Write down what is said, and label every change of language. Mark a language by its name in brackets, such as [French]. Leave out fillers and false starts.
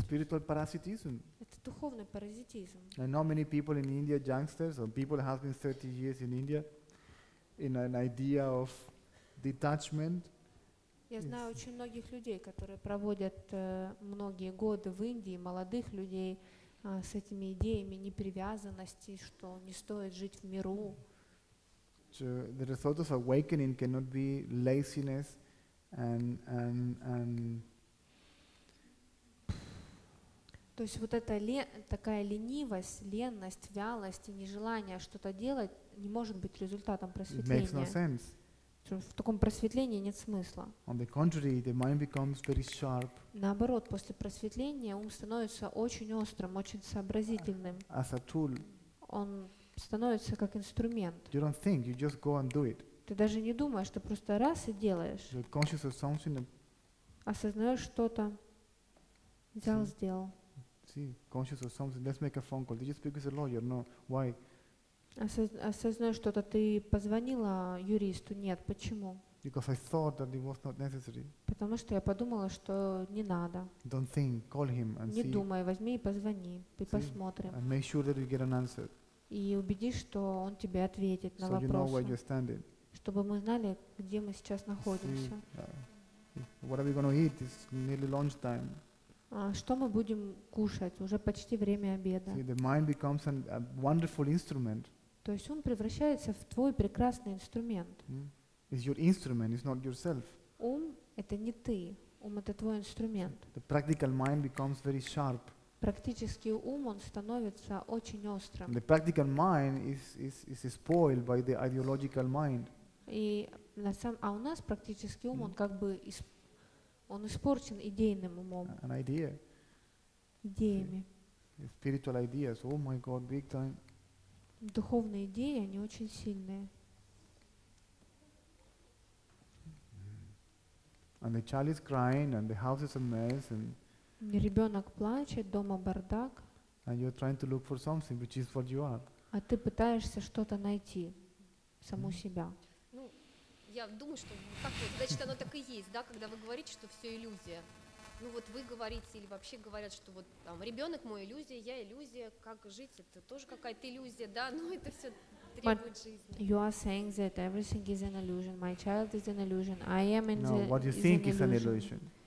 [Russian] Это духовный паразитизм. [English] I know many people in India, youngsters, or people have been 30 years in India, in an idea of detachment. [Russian] Я знаю очень многих людей, которые проводят многие годы в Индии, молодых людей с этими идеями непривязанности, что не стоит жить в миру. [English] The result of awakening cannot be laziness. And [Russian] то есть вот эта такая ленивость, ленность, вялость и нежелание что-то делать не может быть результатом просветления. [English] It makes no sense. [Russian] В таком просветлении нет смысла. [English] On the contrary, the mind becomes very sharp. [Russian] Наоборот, после просветления ум становится очень острым, очень сообразительным. [English] As a tool. [Russian] Он становится как инструмент. [English] You don't think, you just go and do it. [Russian] Ты даже не думаешь, ты просто раз и делаешь. [English] You're conscious of something. [Russian] Осознаешь что-то. Взял, see, сделал. [English] See, conscious of something. Let's make a phone call. Did you speak with a lawyer? No. Why? [Russian] Осознаешь что-то. Ты позвонила юристу? Нет. Почему? [English] Because I thought that it was not necessary. [Russian] Потому что я подумала, что не надо. [English] Don't think. Call him and [Russian] не [English] see. [Russian] Думай. Возьми и позвони. И посмотрим. [English] And make sure that you get an answer. [Russian] И убедись, что он тебе ответит на вопросы. [English] So you know where you're standing. [Russian] Чтобы мы знали, где мы сейчас находимся. [English] What are we going to eat? It's nearly lunchtime. [Russian] Что мы будем кушать? Уже почти время обеда. [English] See, the mind becomes a wonderful instrument. [Russian] То есть ум превращается в твой прекрасный инструмент. [English] It's your instrument, it's not yourself. [Russian] Ум — это не ты. Ум — это твой инструмент. [English] The practical mind becomes very sharp. [Russian] Практический ум, он становится очень острым. [English] The practical mind is spoiled by the ideological mind. [Russian] А у нас практический ум, он как бы он испорчен идейным умом. [English] An idea. [Russian] Идеями. [English] Spiritual ideas. Oh my God, big time. [Russian] Духовные идеи, они очень сильные. [English] And the child is crying, and the house is a mess, and [Russian] ребенок плачет, дома бардак. [English] And you're trying to look for something, which is what you are. [Russian] А ты пытаешься что-то найти, саму себя. Ну, я думаю, что значит, оно так и есть, да, когда вы говорите, что все иллюзия. Ну вот вы говорите или вообще говорят, что вот там ребенок мой иллюзия, я иллюзия, как жить, это тоже какая-то иллюзия, да, но это все требует жизни. [English] You are saying that everything is an illusion. My child is an illusion. I am in the. No, what you think is an illusion.